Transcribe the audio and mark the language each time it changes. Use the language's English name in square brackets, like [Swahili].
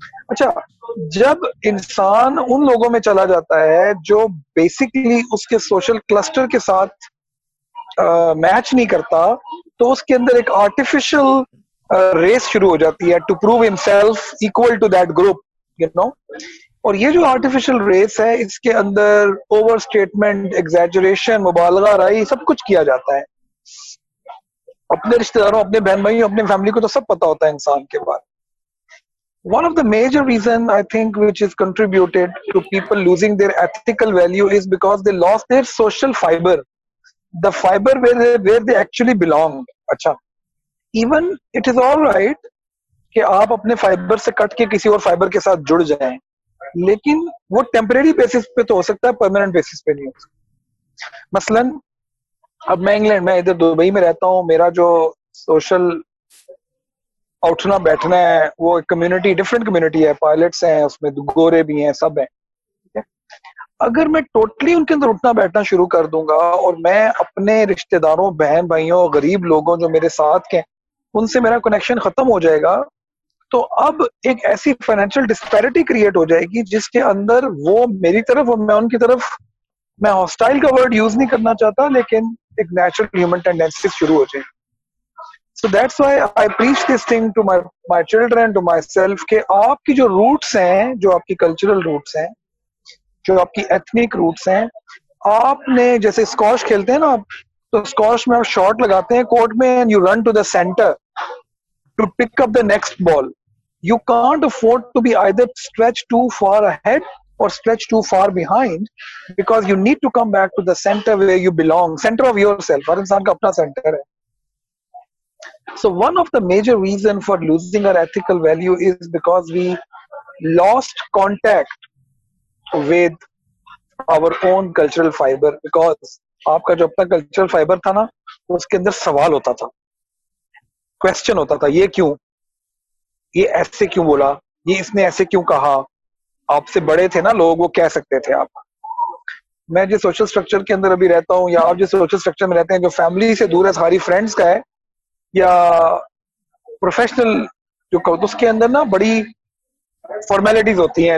[Hindi] अच्छा जब इंसान उन लोगों में चला जाता है जो बेसिकली उसके सोशल क्लस्टर के साथ मैच नहीं करता, तो उसके अंदर एक आर्टिफिशियल रेस शुरू हो जाती है [English] To prove himself equal to that group, you know. [Hindi] और ये जो आर्टिफिशियल रेस है इसके अंदर ओवर स्टेटमेंट, एग्जैजरेशन, मुबालगा राई सब कुछ किया जाता है। अपने रिश्तेदारों, अपने बहन भाइयों, अपने फैमिली को तो सब पता होता है इंसान के बारे में। [English] One of the major reason I think which is contributed to people losing their ethical value is because they lost their social fiber, the fiber where they actually belong. [Hindi] Achha. [English] Even it is all right [Hindi] कि आप अपने fibre से cut के किसी और fibre के साथ जुड़ जाएं, लेकिन वो टेम्परेरी बेसिस पे तो हो सकता है, परमानेंट बेसिस पे नहीं हो सकता. मसलन अब मैं इंग्लैंड में, इधर दुबई में रहता हूँ, मेरा जो सोशल उठना बैठना है वो एक कम्युनिटी, डिफरेंट कम्युनिटी है, पायलट्स हैं उसमें, गोरे भी हैं, सब हैं. अगर मैं टोटली उनके अंदर उठना बैठना शुरू कर दूंगा और मैं अपने रिश्तेदारों, बहन भाइयों, गरीब लोगों जो मेरे साथ के, उनसे मेरा कनेक्शन खत्म हो जाएगा, तो अब एक ऐसी फाइनेंशियल डिस्पैरिटी क्रिएट हो जाएगी जिसके अंदर वो मेरी तरफ और मैं उनकी तरफ, मैं हॉस्टाइल का वर्ड यूज नहीं करना चाहता, लेकिन एक नेचुरल ह्यूमन टेंडेंसी शुरू हो जाएगी. [English] So that's why I preach this thing to my children, to myself, [Hindi] के आपकी जो roots हैं, जो आपकी cultural roots हैं, जो आपकी ethnic roots हैं, आपने जैसे squash खेलते हैं ना, तो squash में आप shot लगाते हैं court में [English] and you run to the center to pick up the next ball. You can't afford to be either stretched too far ahead or stretched too far behind because you need to come back to the center where you belong, center of yourself. [Hindi] हर इंसान का अपना center है. [English] So one of the major reason for losing our ethical value is because we lost contact with our own cultural fiber. [Hindi] Because आपका जो अपना cultural fiber था ना, उसके अंदर सवाल होता था, question होता था, ये क्यों, ये ऐसे क्यों बोला, ये इसने ऐसे क्यों कहा. आपसे बड़े थे ना लोग, वो कह सकते थे. आप, मैं जिस social structure के अंदर अभी रहता हूँ, या आप जिस social structure में रहते हैं, जो family से दूर है, सारी friends का है, या प्रोफेशनल जो कहो, तो उसके अंदर ना बड़ी फॉर्मेलिटीज होती हैं.